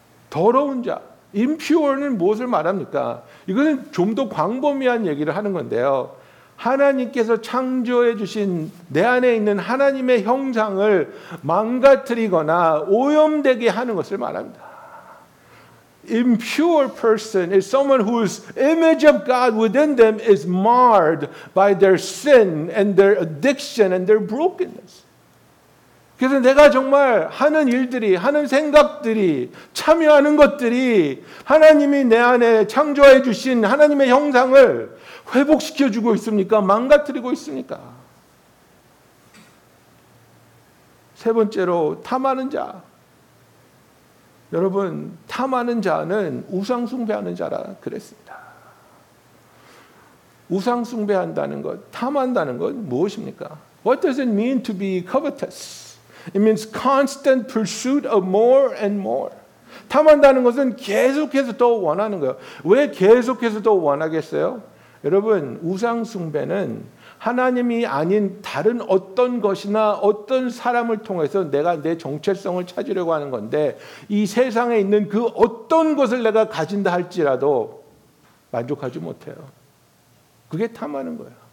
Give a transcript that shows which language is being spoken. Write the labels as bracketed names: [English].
[Korean] 더러운 자, impure는 무엇을 말합니까? 이거는 좀 더 광범위한 얘기를 하는 건데요. 하나님께서 창조해 주신 내 안에 있는 하나님의 형상을 망가뜨리거나 오염되게 하는 것을 말합니다. [English] impure person is someone whose image of God within them is marred by their sin and their addiction and their brokenness. [Korean] 그래서 내가 정말 하는 일들이, 하는 생각들이, 참여하는 것들이 하나님이 내 안에 창조해 주신 하나님의 형상을 회복시켜 주고 있습니까? 망가뜨리고 있습니까? 세 번째로 탐하는 자. 여러분, 탐하는 자는 우상숭배하는 자라 그랬습니다. 우상숭배한다는 것, 탐한다는 것 무엇입니까? [English] What does it mean to be covetous? It means constant pursuit of more and more. [Korean] 탐한다는 것은 계속해서 더 원하는 거예요. 왜 계속해서 더 원하겠어요? 여러분, 우상숭배는 하나님이 아닌 다른 어떤 것이나 어떤 사람을 통해서 내가 내 정체성을 찾으려고 하는 건데 이 세상에 있는 그 어떤 것을 내가 가진다 할지라도 만족하지 못해요. 그게 탐하는 거예요.